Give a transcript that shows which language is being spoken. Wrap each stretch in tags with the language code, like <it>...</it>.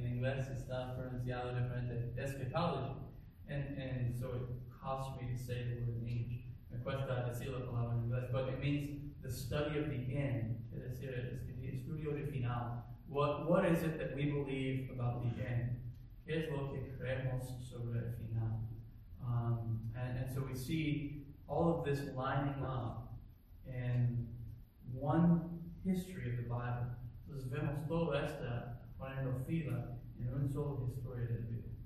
<en>In English,</en> <es>está pronunciado diferente escatology.</es> <en>And so it costs me to say the word in English.</en> <es>Me cuesta decirlo</es> <en>a lot in English. But it means the study of the end.</en> <es>Es decir, es el estudio de final.</es> <en>What is it that we believe about the end?</en> <es>¿Qué es lo que creemos sobre el final?</es> <en>And so we see all of this lining up in one history of the Bible.</en> <es>Entonces vemos todo esto poniendo fila en un solo historia de la Biblia.</es>